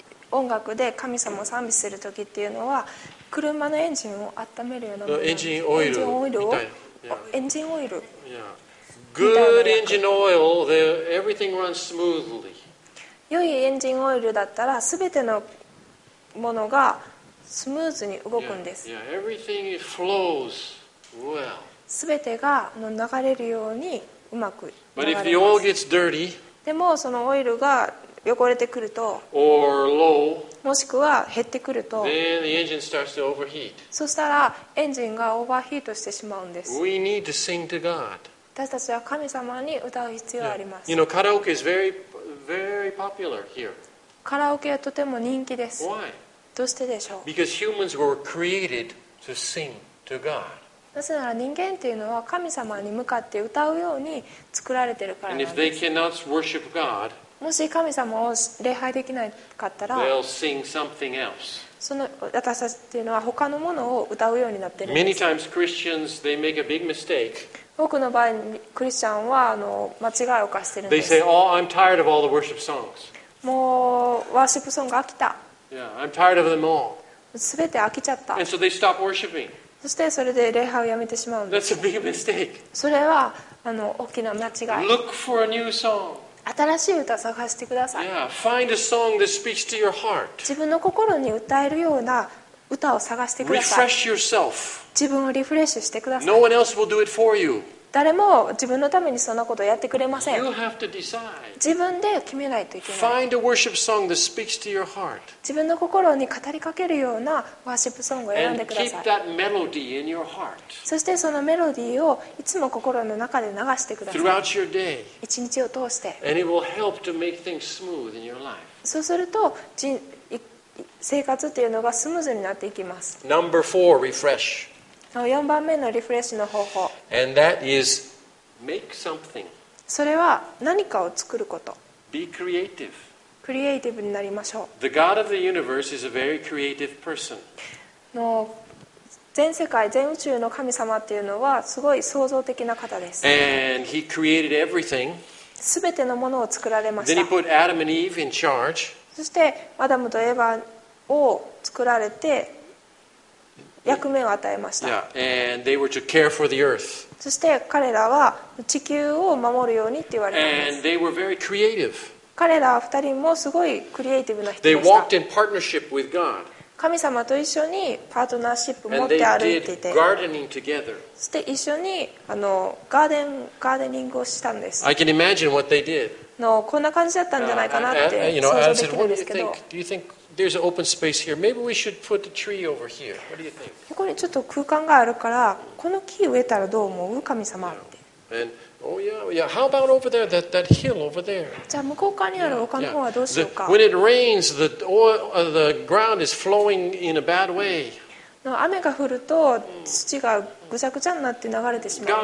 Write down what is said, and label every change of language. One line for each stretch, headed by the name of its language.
Japanese: 音楽で神様を賛美する時っていうのは車のエンジンを温めるようなもの。エンジンオイルみたいな。エンジンオイル。
English: Good engine oil, everything runs smoothly.
Japanese: 良いエンジンオイルだったら全てのものがスムーズに動くんです。
English: Yeah, everything flows well.
Japanese: 全てが流れるようにうまく流れます。
English: But if the oil gets dirty,
Japanese: でもそのオイルが汚れてくると
English: or low,
Japanese: もしくは減ってくると
English: then the engine starts to overheat.
Japanese: そしたらエンジンがオーバーヒートしてしまうんです。
English: We need to sing to God.
Japanese: 私たちは神様に歌う必要があります。
English: You know, karaoke is very, very popular here.
Japanese: カラオケはとても人気です。
English: Why?
Japanese: どうしてでしょう。
English: Because humans were created to sing to God.
Japanese: なぜなら人間というのは神様に向かって歌うように作られているからなんです。
English: And if they cannot worship God,
Japanese: もし神様を礼拝できなかったら、
English: They'll sing something else.
Japanese: その私たちっていうのは他のものを歌うようになってるんです。
English: Many times Christians, they make a big mistake.
Japanese: 多くの場合クリスチャンは間違いを犯してるんです。
English: They say, oh, I'm tired of all the worship songs.
Japanese: もうワーシップソング飽きた。
English: Yeah, I'm tired of them all.
Japanese: 全て飽きちゃった。
English: And so they stop worshiping.
Japanese: そしてそれで礼拝をやめてしまうんです。
English: That's a big mistake.
Japanese: それは大きな間違い。
English: Look for a new song.
Japanese: 新しい歌を探してください。
English: Yeah, find a song that speaks to your heart.
Japanese: 自分の心に歌えるような歌を探してください。
English: Refresh yourself.
Japanese: 自分をリフレッシュしてください。
English: No one else will do it for you.
Japanese: 誰も自分のためにそんなことをやってくれません。
English: You have to decide.
Japanese: 自分で決めないといけない。
English: Find a worship song that speaks to your heart.
Japanese: 自分の心に語りかけるようなワーシップソングを選んでください。
English: And keep that melody in your heart.
Japanese: そしてそのメロディーをいつも心の中で流してください。
English: Throughout your day.
Japanese: 一日を通して。
English: And it will help to make things smooth in your life.
Japanese: そうすると生活っていうのがスムーズになっていきます。
English: Number four, refresh.
Japanese: 4番目のリフレッシュの方法。
English: And that is make something.
Japanese: それは何かを作ること。
English: Be creative.
Japanese: クリエイティブになりましょう。
English: The God of the universe is a very creative person.
Japanese: 全世界、全宇宙の神様っていうのはすごい創造的な方です。
English: And he created everything.
Japanese: すべてのものを作られました。
English: Then he put Adam and Eve in charge.
Japanese: そしてアダムとエヴァを作られて役目を与えました。
English: Yeah, and they were to care for the earth.
Japanese: そして彼らは地球を守るようにって言われました。
English: And they were very creative.
Japanese: 彼ら二人もすごいクリエイティブな人でした。
English: They walked in partnership with God.
Japanese: 神様と一緒にパートナーシップを持って歩いていて。
English: And they did gardening together.
Japanese: そして一緒にガーデニングをしたんです。
English: I can imagine what they did.
Japanese: こんな感じだったんじゃないかなって想像できるんですけど。
English: What do you think? Do you think? There's an open space here. Maybe we should put the tree over here. What do you think?
Japanese: ここにちょっと空間があるから、この木植えたらどう思う？神様って。
English: And oh yeah, yeah. How about over there? That hill over there.
Japanese: じゃあ向こう側にある丘の方はどうしようか。
English: When it rains, the oil, the ground is flowing in a bad way.
Japanese: 雨が降ると土がぐちゃぐちゃになって流れてしまう。